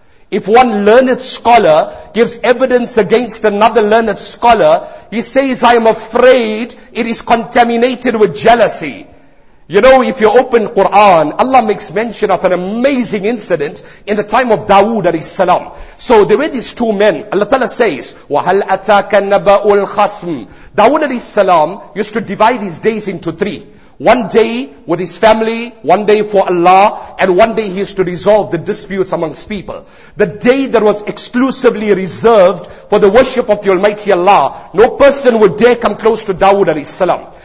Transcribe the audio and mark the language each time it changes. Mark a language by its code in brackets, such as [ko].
[en] If one learned scholar gives evidence against another learned scholar, he says, I am afraid it is contaminated with jealousy. You know, if you open Quran, Allah makes mention of an amazing incident in the time of Dawood alayhi salam. So there were these two men. Allah Ta'ala says, [ar] وَهَلْ أَتَاكَ نَبَأُ الْخَصْمِ. [en] Dawood alayhi salam used to divide his days into three. One day with his family, one day for Allah, and one day he used to resolve the disputes amongst people. The day that was exclusively reserved for the worship of the Almighty Allah, no person would dare come close to Dawood alayhi salam.